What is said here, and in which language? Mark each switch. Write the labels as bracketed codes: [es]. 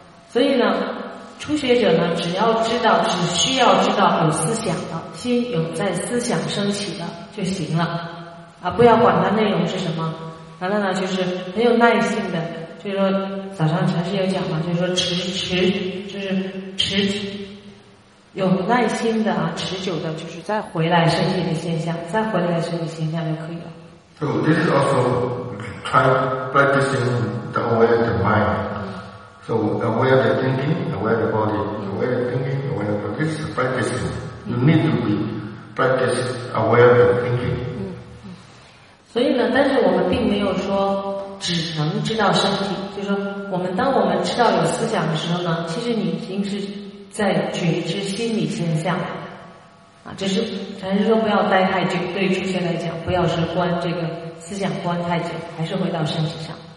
[zh] 所以呢，初学者呢，只要知道，只需要知道有思想的心有在思想升起的就行了，不要管它内容是什么。完了呢，就是很有耐性的。就是说早上禅师有讲嘛，就是说持有耐心的啊，持久的，就是再回来身体的现象，再回来身体现象就可以了。 [en] So this is also try practicing the aware of the mind. So aware of the thinking, aware of the body, aware of the thinking, aware of the body. This is practicing. You need to be practice aware of the thinking. [zh] 所以呢，但是我们并没有说只能知道身体，就是说我们当我们知道有思想的时候呢，其实你已经是在觉知心理现象啊，只是禅师说不要待太久，对于初学来讲不要是关这个思想关太久，还是回到身体上。